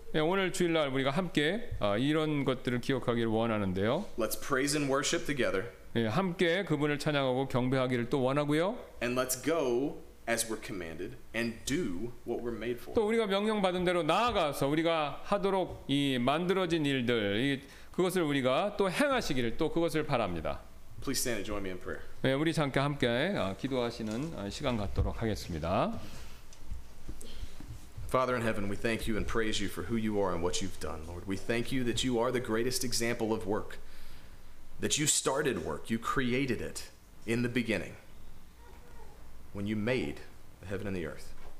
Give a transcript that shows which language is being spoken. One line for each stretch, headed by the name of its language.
Korean: 오늘 주일날 우리가 함께 이런 것들을 기억하기를 원하는데요.
English: Let's praise and worship together.
Korean: 함께 그분을 찬양하고 경배하기를 또 원하고요.
English: And let's go. As we're commanded, and do what we're made for.
Korean: 또 우리가 명령 받은 대로 나아가서 우리가 하도록 이 만들어진 일들 이 그것을 우리가 또 행하시기를 또 그것을 바랍니다.
English: Please stand and join me in prayer.
Korean: 네, 우리 잠깐 함께 기도하시는 시간 갖도록 하겠습니다.
English: Father in heaven, we thank you and praise you for who you are and what you've done, Lord. We thank you that you are the greatest example of work, that you started work, you created it in the beginning. When you made the heaven and the earth.